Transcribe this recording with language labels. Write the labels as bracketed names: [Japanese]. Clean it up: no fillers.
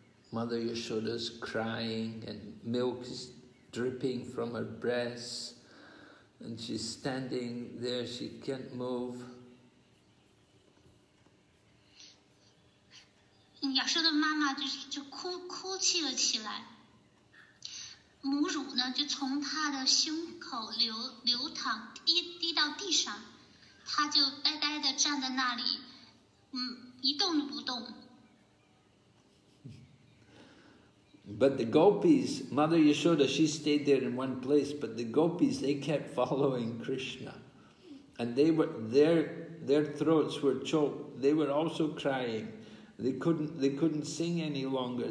[English] Mother Yashoda is crying and milk is dripping from her breast and she's standing there, she can't move. [Chinese] Yashoda 妈妈就哭泣了起来，母乳呢就从她的胸口流淌滴到地上，她就呆呆地站在那里，一动都不动。 [English] But the gopis, Mother Yashoda, she stayed there in one place, but the gopis, they kept following Krishna. And they were, their throats were choked. They were also crying. They couldn't sing any longer.